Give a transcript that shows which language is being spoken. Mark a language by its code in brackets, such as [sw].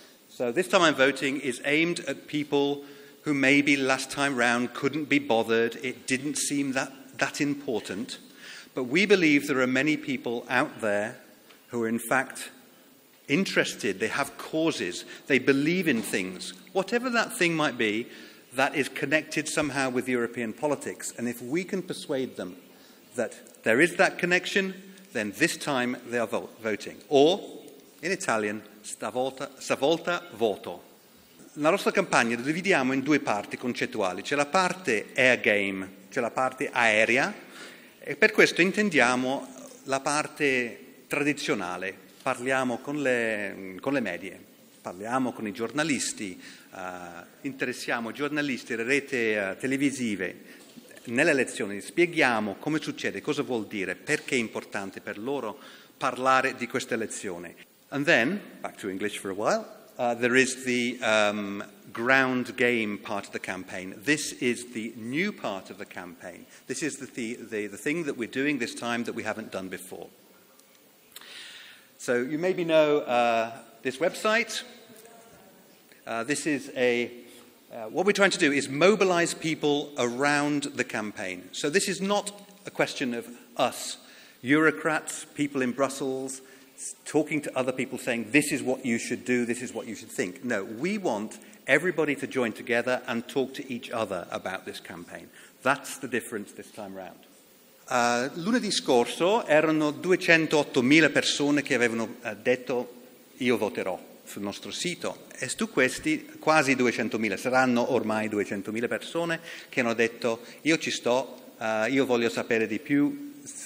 [en] So this time I'm voting is aimed at people who maybe last time round couldn't be bothered, it didn't seem that important, but we believe there are many people out there who are in fact interested, they have causes, they believe in things, whatever that thing might be, that is connected somehow with European politics, and if we can persuade them that there is that connection, then this time they are voting. Or, in Italian, [it] stavolta voto. La nostra campagna la dividiamo in due parti concettuali. C'è la parte air game, c'è la parte aerea, e per questo intendiamo la parte tradizionale. Parliamo con le medie, parliamo con i giornalisti, interessiamo giornalisti, le reti televisive. Nelle elezioni spieghiamo come succede, cosa vuol dire, perché è importante per loro parlare di questa elezione. [en] And then, back to English for a while, there is the ground game part of the campaign. This is the new part of the campaign. This is the thing that we're doing this time that we haven't done before. So you maybe know this website. This is a... what we're trying to do is mobilise people around the campaign. So this is not a question of us, bureaucrats, people in Brussels, talking to other people saying, this is what you should do, this is what you should think. No, we want everybody to join together and talk to each other about this campaign. That's the difference this time around. [it] Lunedì scorso erano 208.000 persone che avevano detto io voterò sul nostro sito. E su questi quasi 200.000, saranno ormai 200.000 persone che hanno detto io ci sto, io voglio sapere di più.